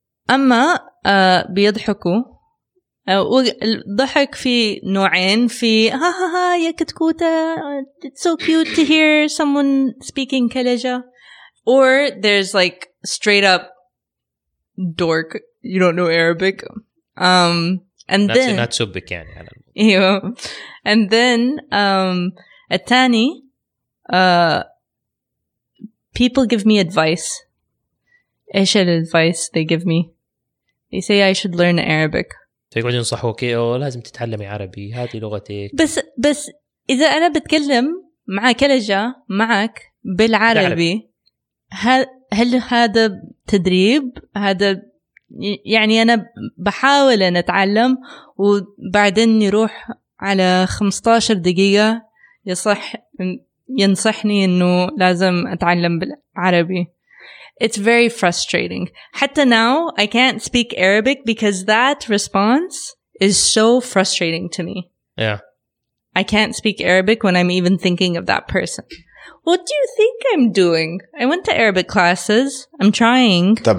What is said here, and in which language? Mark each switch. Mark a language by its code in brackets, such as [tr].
[ar] أما بيضحكوا والضحك في نوعين في ها ها ها يا كتكوتة [en] it's so cute to hear someone speaking كلجة or there's like straight up dork you don't know Arabic and then not so big يعني yeah. And then الثاني people give me advice. إيش الadvice they give me? They say I should learn Arabic. [ar] فيقعد ينصحوك لازم تتعلمي عربي هذه لغتك. بس إذا أنا بتكلم مع كلجة معك بالعربي هل هذا تدريب؟ هذا يعني أنا بحاول أن أتعلم وبعدين يروح على 15 دقيقة ينصحني أنه لازم أتعلم بالعربي. [en] It's very frustrating. حتى now I can't speak Arabic because that response is so frustrating to me. Yeah. I can't speak Arabic when I'm even thinking of that person. What do you think I'm doing? I went to Arabic classes. I'm trying.